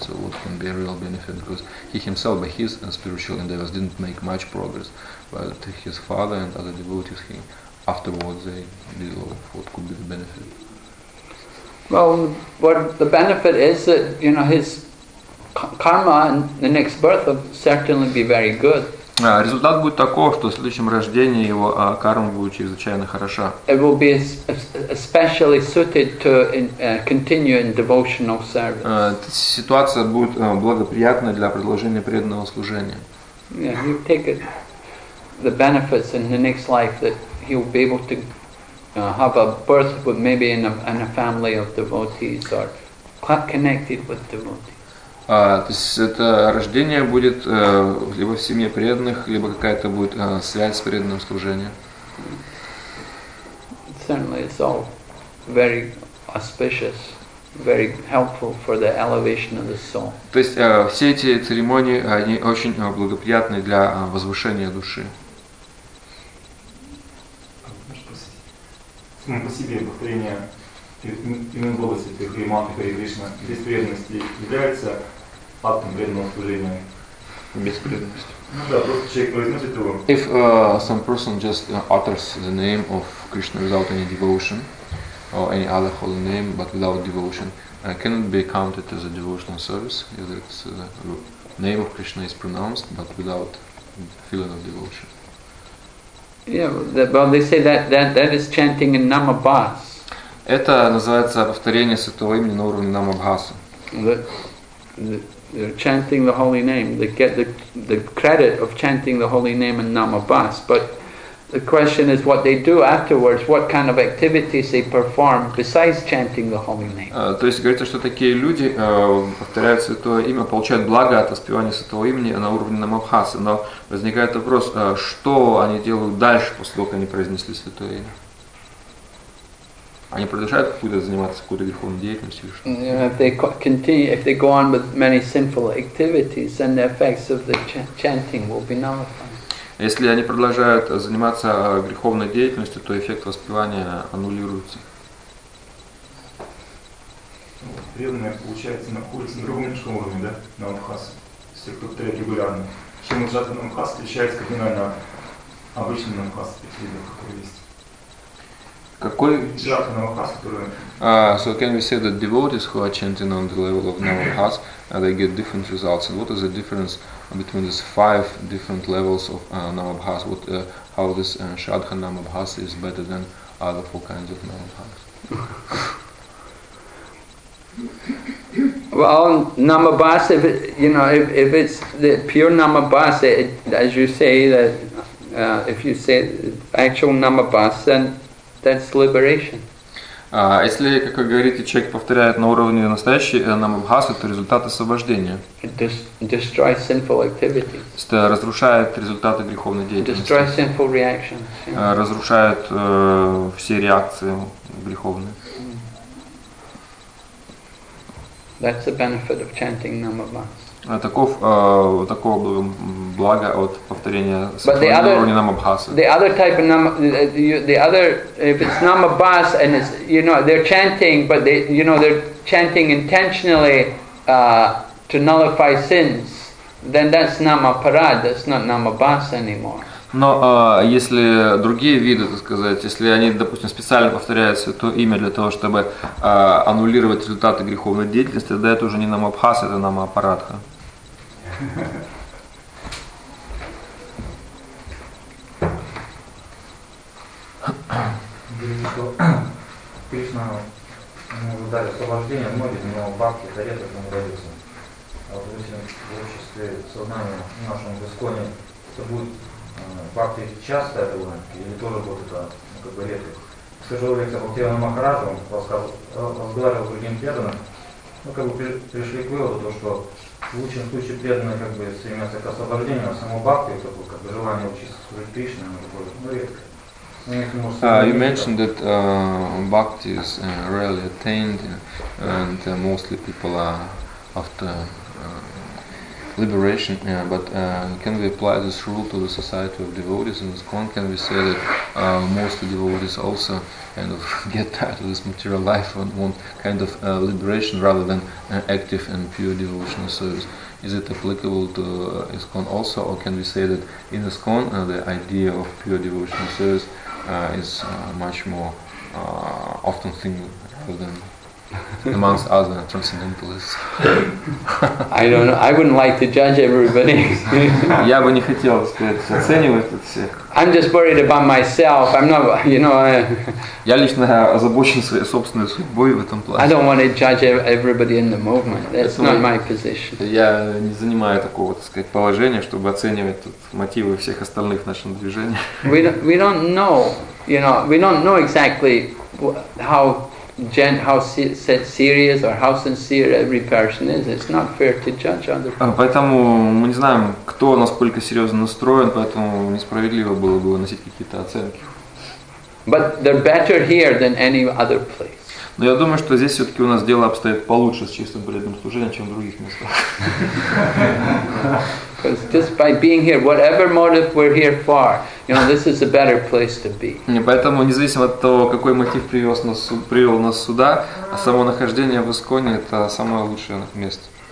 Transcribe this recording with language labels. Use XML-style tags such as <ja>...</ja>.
<en>So what can be a real benefit? Because he himself, by his spiritual endeavors, didn't make much progress, but his father and other devotees, he afterwards, they did a lot of what could be the benefit. Well, what the benefit is that his karma in the next birth will certainly be very good.</en> <ru>Результат будет такой, что в следующем рождении его карма будет чрезвычайно хороша.</ru> <en>It will be especially suited to continuing devotional service.</en> <ru>Ситуация будет благоприятна для продолжения преданного служения.</ru> <en>Yeah, you take it, the benefits in the next life that he will be able to have a birth with maybe in a family of devotees or connected with devotees.</en> <ru>То есть это рождение будет либо в семье преданных, либо какая-то будет связь с преданным служением.</ru> <en>Certainly it's all very auspicious, very helpful for the elevation of the soul.</en> <ru>То есть все эти церемонии, они очень благоприятны для возвышения души. Само по себе повторение именно в области Хари Матхи, Хари Кришна, без преданности является</ru> <en>If some person just utters the name of Krishna without any devotion or any other holy name but without devotion, can it be counted as a devotional service if the name of Krishna is pronounced but without feeling of devotion? Yeah, well, they say that is chanting in Namabhas.</en> <ru>Это называется повторение святого имени на уровне Намабхаса.</ru> <en>They're chanting the holy name. They get the credit of chanting the holy name in Namabhas. But the question is what they do afterwards, what kind of activities they perform besides chanting the holy name.</en> <ru>То есть говорится, что такие люди повторяют святое имя, получают благо от воспевания святого имени на уровне Намабхаса. Но возникает вопрос, что они делают дальше, после того, как они произнесли святое имя? Они продолжают какую-то заниматься какой-то греховной деятельностью.</ru> <en>If they go on with many sinful activities, then the effects of the chanting will be nullified.</en> <ru>Если они продолжают заниматься греховной деятельностью, то эффект воспевания аннулируется. Преданные, получается, находятся на другом низком уровне, да, на Намабхас. Все, кто повторяет регулярно. Чем уджата Намабхас отличается кардинально от обычного Намабхаса, какие-то, которые есть. Какой?</ru> <en>So can we say that devotees who are chanting on the level of Namabhas, they get different results? And what is the difference between these five different levels of Namabhas? What, how this Shraddha Namabhas is better than other four kinds of Namabhas? Well, Namabhas, if it's the pure Namabhas, as you say that, if you say actual Namabhas, then that's liberation.</en> <ru>Если, как вы говорите, человек повторяет на уровне настоящей намабхасы, то результат освобождения.</ru> <en>Destroys sinful activities.</en> <ru>Это разрушает результаты греховной деятельности.</ru> <en>Destroys sinful reactions.</en> <ru>Разрушает все реакции греховные.</ru> <en>That's the benefit of chanting namabhas.</en> <ru>Такого блага от повторения святого уровня намабхасы.</ru> <en>The other type of if it's намабхас and it's they're chanting, but they they're chanting intentionally to nullify sins, then that's намапарад, that's not намабхас anymore.</en> <ru>Но если другие виды, так сказать, если они, допустим, специально повторяют святое имя для того, чтобы аннулировать результаты греховной деятельности, тогда это уже не намабхас, это намапарадха. говорили, что Кришна ему уже дали освобождение многих, но бхакти это редко ему дается. А вот если в обществе сознания в нашем Госконе это будет бхакти часто было, или тоже будет это как бы редко. Скажу лекция Бхактивана Махараджа, он разговаривал с другим преданным, мы как бы пришли к выводу, то, что в лучшем случае преданные как бы стремятся к освобождению, а само бхакти, такое как бы желание учиться служить Кришне, оно такое, ну, редко.</ru> <en>You mentioned that bhakti is rarely attained, and mostly people are after liberation. Yeah, but can we apply this rule to the society of devotees in ISKCON? Can we say that most devotees also kind of get tired of this material life and want kind of liberation rather than active and pure devotional service? Is it applicable to ISKCON also, or can we say that in ISKCON the idea of pure devotional service is much more often thing than amongst other transcendentalists? I don't know. I wouldn't like to judge everybody.</en> <ru>Я бы не хотел сказать, оценивать это все.</ru> <en>I'm just worried about myself. I'm not, you know.</en> <ru>Я лично озабочен своей собственной судьбой в этом плане.</ru> <en>I don't want to judge everybody in the movement. That's not my position.</en> <ru>Я не занимаю такого, так сказать, положения, чтобы оценивать тут мотивы всех остальных в нашем движении.</ru> <en>We don't know, you know. We don't know exactly how. How serious or how sincere every person is. It's not fair to judge other people.</en> <ru>Поэтому мы не знаем, кто насколько серьезно настроен, поэтому несправедливо было бы выносить какие-то оценки.</ru> <en>But they're better here than any other place.</en> <ru>Но я думаю, что здесь все-таки у нас дело обстоит получше с чистым бредным служением, чем в других местах.</ru> <en>Because just by being here, whatever motive we're here for, you know, this is a better place to be.</en> <ru>Не, поэтому независимо от того, какой мотив привел нас сюда, а само нахождение в Исконе – это самое лучшее место.</ru>